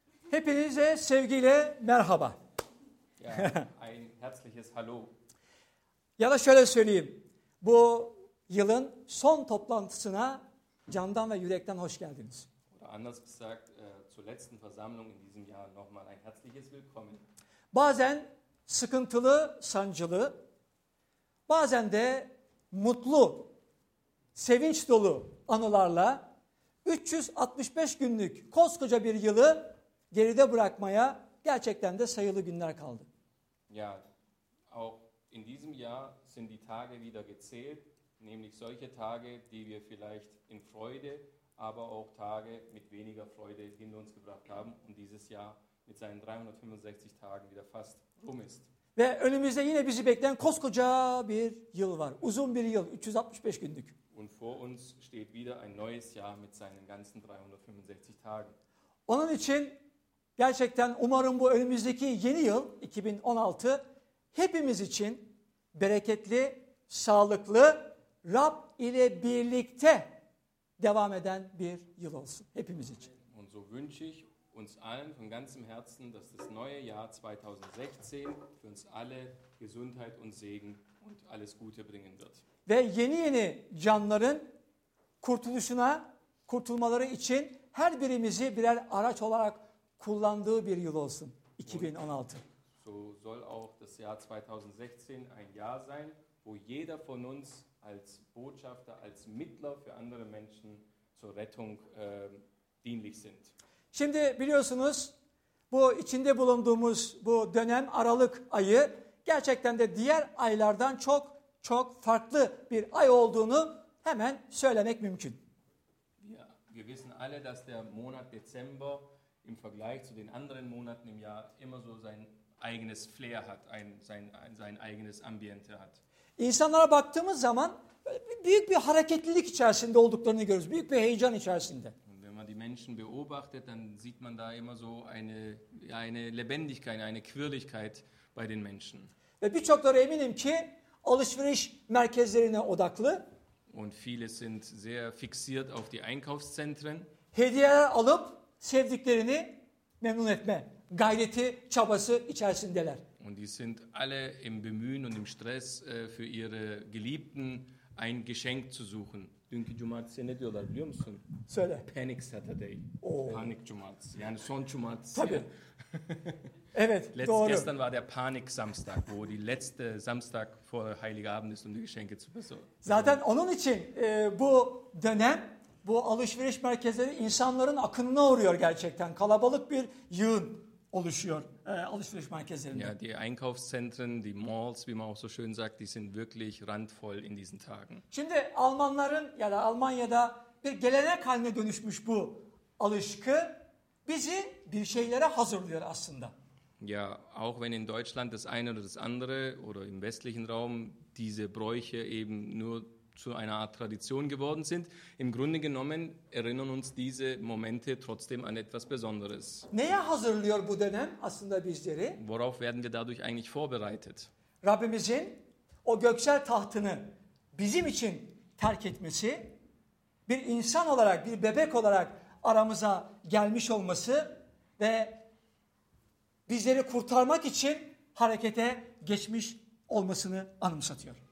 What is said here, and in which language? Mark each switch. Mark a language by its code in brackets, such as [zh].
[tr] Hepinize sevgiyle merhaba. [de] Ja, ein herzliches Hallo. [tr] Ya da şöyle söyleyeyim. Bu yılın son toplantısına candan ve yürekten hoş geldiniz. [de] Oder anders gesagt, zur letzten Versammlung in diesem Jahr nochmal ein herzliches Willkommen. [tr] Bazen sıkıntılı, sancılı, bazen de mutlu, sevinç dolu anılarla 365 günlük koskoca bir yılı geride bırakmaya gerçekten de sayılı günler kaldı. [de] Ja, auch in diesem Jahr sind die Tage wieder gezählt, nämlich solche Tage, die wir vielleicht in Freude, aber auch Tage mit weniger Freude hinter uns gebracht haben und dieses Jahr mit seinen 365 Tagen wieder fast rum ist. [tr] Ve önümüzde yine bizi bekleyen koskoca bir yıl var. Uzun bir yıl, 365 günlük. [de] Und vor uns steht wieder ein neues Jahr mit seinen ganzen 365 Tagen. [tr] Onun için gerçekten umarım bu önümüzdeki yeni yıl 2016 hepimiz için bereketli, sağlıklı, Rab ile birlikte devam eden bir yıl olsun hepimiz için. [de] Und so wünsche ich uns allen von ganzem Herzen, dass das neue Jahr 2016 für uns alle Gesundheit und Segen und alles Gute bringen wird. [tr] Ve yeni yeni canların kurtuluşuna, kurtulmaları için her birimizi birer araç olarak kullandığı bir yıl olsun 2016. [de] Und so soll auch das Jahr 2016 ein Jahr sein, wo jeder von uns als Botschafter, als Mittler für andere Menschen zur Rettung dienlich sind. [tr] Şimdi biliyorsunuz bu içinde bulunduğumuz bu dönem Aralık ayı gerçekten de diğer aylardan çok çok farklı bir ay olduğunu hemen söylemek mümkün. [de] Ja, wir wissen alle, dass der Monat Dezember im Vergleich zu den anderen Monaten im Jahr immer so sein eigenes Flair hat, sein eigenes Ambiente hat. [tr] İnsanlara baktığımız zaman büyük bir hareketlilik içerisinde olduklarını görürüz, büyük bir heyecan içerisinde. [de] Und wenn man die Menschen beobachtet, dann sieht man da immer so eine Lebendigkeit, eine Quirligkeit bei den Menschen. [tr] Ve birçokları eminim ki alışveriş merkezlerine odaklı. [de] Und viele sind sehr fixiert auf die Einkaufszentren. [tr] Hediyeler alıp sevdiklerini memnun etme gayreti, çabası içerisindeler. [de] Und die sind alle im Bemühen und im Stress für ihre Geliebten ein Geschenk zu suchen. [tr] Dünkü cumartesi ne diyorlar biliyor musun? Söyle. [en] Panic Saturday. [tr] Oo. Panik cumartesi. Yani son cumartesi. Tabii. Yani. Evet, doğru. [de] Gestern war der Panik Samstag, wo die letzte Samstag vor Heiligabend ist, um die Geschenke zu besorgen. [tr] Zaten onun için bu dönem, bu alışveriş merkezleri insanların akınına uğruyor gerçekten. Kalabalık bir yığın oluşuyor alışveriş merkezlerinde. [de] Ja, die Einkaufszentren, die Malls, wie man auch so schön sagt, die sind wirklich randvoll in diesen Tagen. [tr] Şimdi Almanların ya da Almanya'da bir gelenek haline dönüşmüş bu alışkı bizi bir şeylere hazırlıyor aslında. [de] Ja, auch wenn in Deutschland das eine oder das andere oder im westlichen Raum diese Bräuche eben nur zu einer Art Tradition geworden sind, im Grunde genommen erinnern uns diese Momente trotzdem an etwas Besonderes. [tr] Neye hazırlıyor bu dönem aslında bizleri? [de] Worauf werden wir dadurch eigentlich vorbereitet? [tr] Rabbimizin o göksel tahtını bizim için terk etmesi, bir insan olarak, bir bebek olarak aramıza gelmiş olması ve bizleri kurtarmak için harekete geçmiş olmasını anımsatıyor.